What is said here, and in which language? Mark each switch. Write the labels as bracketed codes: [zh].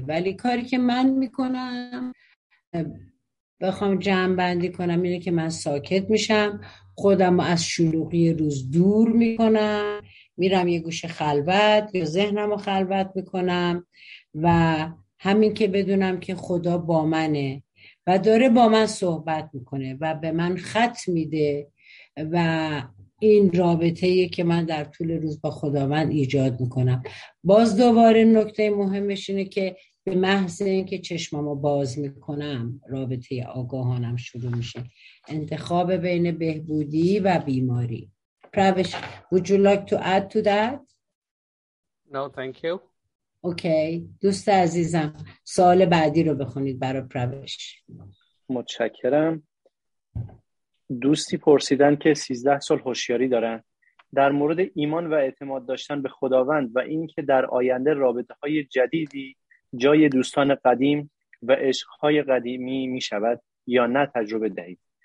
[fa] ولی کاری که من میکنم بخوام جمع بندی کنم اینه که من ساکت میشم، خودم رو از شلوغی روز دور میکنم، میرم یه گوشه خلوت یا ذهنم رو خلوت میکنم و همین که بدونم که خدا با منه و داره با من صحبت میکنه و به من خط میده و این رابطه‌ایه که من در طول روز با خداوند ایجاد میکنم. باز دوباره نکته مهمش اینه که به محض اینکه چشمامو باز میکنم رابطه آگاهانم شروع میشه. انتخاب بین بهبودی و بیماری. [en] پروش، would you like to add to that? No, thank you. [fa] اوکی. دوست عزیزم، سوال بعدی رو بخونید برای پروش. متشکرم. دوستی پرسیدن که 13 سال هوشیاری دارن، در مورد ایمان و اعتماد داشتن به خداوند و اینکه در آینده رابطه‌های جدیدی جای دوستان قدیم و عشق‌های قدیمی می‌شود یا نه تجربه دهید.